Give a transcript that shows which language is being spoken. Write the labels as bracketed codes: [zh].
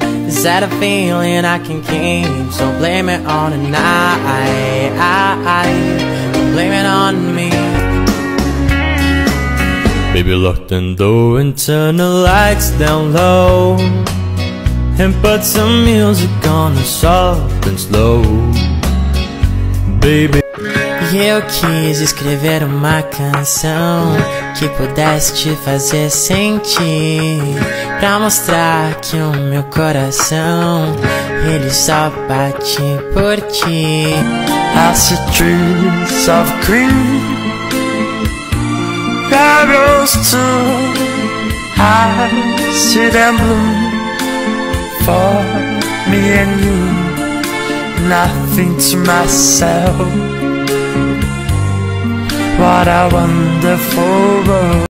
[en] Is that a feeling I can keep? So blame it on the night, blame it on me. Baby, lock the door and turn the lights down low, and put some music on us soft and slow. [pt] Baby, eu quis escrever uma canção que pudesse te fazer sentir, pra mostrar que o meu coração ele só bate por ti. [en] I see trees of green, that grows too. I see them bloom for me and you. Nothing to myself. What a wonderful world.